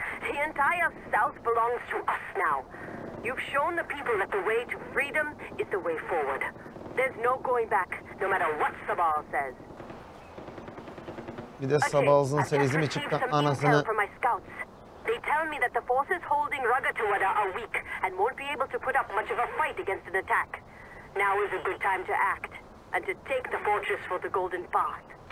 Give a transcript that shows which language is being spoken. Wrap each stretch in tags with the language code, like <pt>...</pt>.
<en>The entire South belongs to us now. You've shown the people that the way to freedom is the way forward. There's no going back, no matter what Sabal says.</en> <tr>Bir de Sabal'ın sevizi mi çıktı anasını?</tr> <en>They tell me that the forces holding Ragatuwada are weak and won't be able to put up much of a fight against an attack. Now is a good time to act and to take the fortress for the Golden Path.</en>